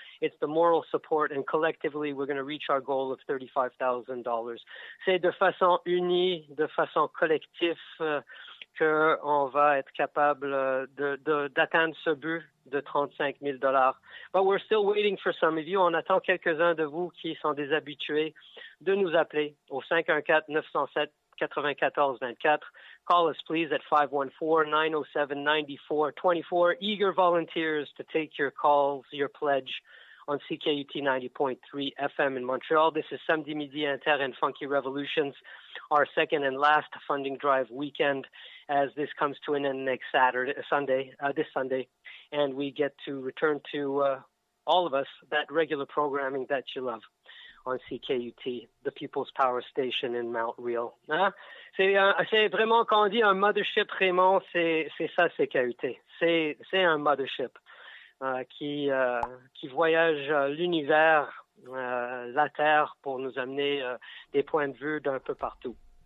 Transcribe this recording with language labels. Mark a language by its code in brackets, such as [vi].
[en] It's the moral support, and collectively, we're going to reach our goal of $35,000. [fr] C'est de façon unie, de façon collective, qu'on va être capable d'atteindre ce but de $35,000. [en] But we're still waiting for some of you. [fr] On attend quelques-uns de vous qui sont des habitués de nous appeler au 514-907-9424. [en] Call us, please, at 514-907-9424. Eager volunteers to take your calls, your pledge on CKUT 90.3 FM in Montreal. This is Samedi Midi Inter and Funky Revolutions, our second and last funding drive weekend, as this comes to an end next Sunday, and we get to return to all of us that regular programming that you love on CKUT, the People's Power Station in Mount Real. Hein? [fr] C'est vraiment, quand on dit un mothership, Raymond, c'est ça, CKUT. C'est un mothership qui voyage l'univers, la Terre, pour nous amener des points de vue d'un peu partout.